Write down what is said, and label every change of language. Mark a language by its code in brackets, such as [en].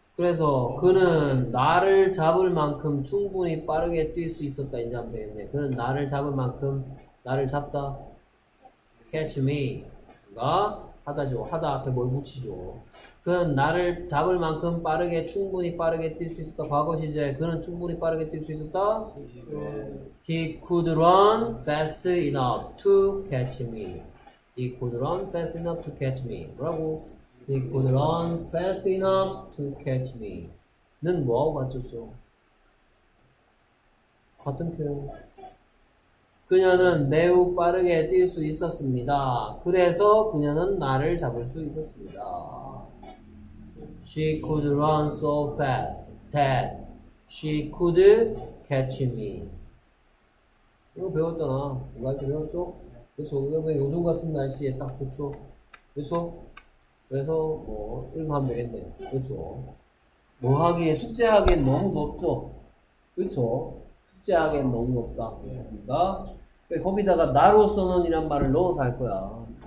[ko] 그래서 그는 나를 잡을 만큼 충분히 빠르게 뛸 수 있었다. 이제 하면 되겠네. 그는 나를 잡을 만큼 나를 잡다. [en] catch me. [ko] 그가 하다죠. 하다 앞에 뭘 붙이죠. 그는 나를 잡을 만큼 빠르게 충분히 빠르게 뛸 수 있었다. 과거 시제. 그는 충분히 빠르게 뛸 수 있었다. [en] He could run fast enough to catch me. He could run fast enough to catch me. [ko] 뭐라고? [en] He could run fast enough to catch me. [ko] 는 뭐하고 맞췄죠? 같은 표현. 그녀는 매우 빠르게 뛸 수 있었습니다. 그래서 그녀는 나를 잡을 수 있었습니다. [en] She could run so fast that she could catch me. [ko] 이거 배웠잖아. 우리한테 배웠죠? 그렇죠. 왜 요즘 같은 날씨에 딱 좋죠? 그렇죠? 그래서 뭐 이렇게 하면 되겠네요. 그렇죠? 뭐 하기에 숙제하기엔 너무 덥죠? 그렇죠? 숙제하기엔 너무 덥다. 그렇습니다. 거기다가 나로서는 이란 말을 넣어서 할 거야.